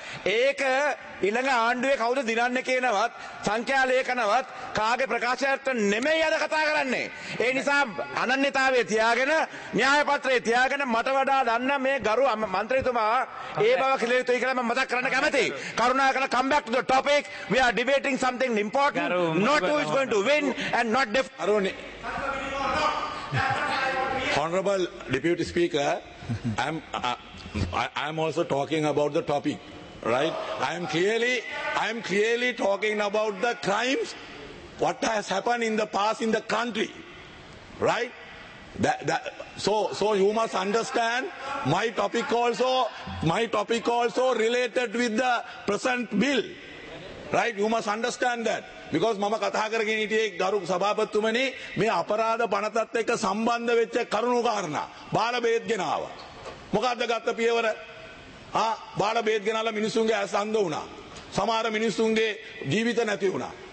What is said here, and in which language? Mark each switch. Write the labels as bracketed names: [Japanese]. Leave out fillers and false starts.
[Sinhala] ඒක ඊළඟ ආණ්ඩුවේ කවුද දිනන්නේ කියනවත් සංඛ්‍යා ලේඛනවත් කාගේ ප්‍රකාශයට නෙමෙයි අද කතා කරන්නේ. ඒ නිසා අනන්‍යතාවයේ තියාගෙන න්‍යාය පත්‍රයේ තියාගෙන මට වඩා දන්න මේ ගරු මන්ත්‍රීතුමා ඒ බව කියලා යුතුයි කියලා මම මතක් කරන්න කැමතියි. කරුණාකර [English] come back to the topic. We are debating something important, not who is going to win and not def. Honorable Deputy Speaker, I am also talking about the topic, right? I am clearly talking about the crimes, what has happened in the past in the country, right? So you must understand my topic also related with the present bill, right? You must understand that. Because [Sinhala] මම කතා කරගෙන හිටියේ ගරු සභාපතිතුමනි මේ අපරාධ පනතත් එක්ක සම්බන්ධ වෙච්ච කරුණු කාරණා බාල බේත් ගෙනාවා. මොකද්ද ගත්ත පියවර? බාල බේත් ගෙනාලා මිනිසුන්ගේ ඇස් අන්ධ වුණා. සමහර මිනිසුන්ගේ ජීවිත නැති වුණා.